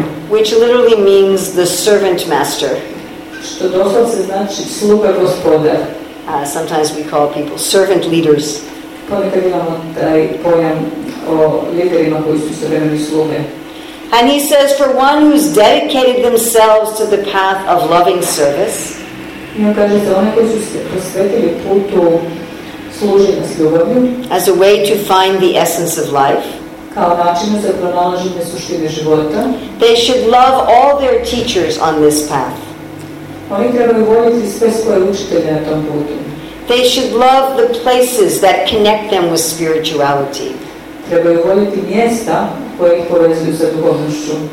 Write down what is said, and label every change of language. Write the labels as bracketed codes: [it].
[en] Which literally means the servant master. [hr] Što doslovce znači sluga gospodar. [en] Sometimes we call people servant leaders. [hr] Ponekad imamo taj pojam o liderima koji su suvremeni sluge. [en] And he says, for one who's dedicated themselves to the path of loving service, [hr] i on kaže za one koji su se posvetili putu služenja s ljubavlju, [en] as a way to find the essence of life, [hr] kao način za pronalaženje suštine života, [en] they should love all their teachers on this path. [hr] Oni trebaju voljeti sve svoje učitelje na tom putu. [en] They should love the places that connect them with spirituality. [hr] Trebaju voljeti mjesta koje ih povezuju sa duhovnošću.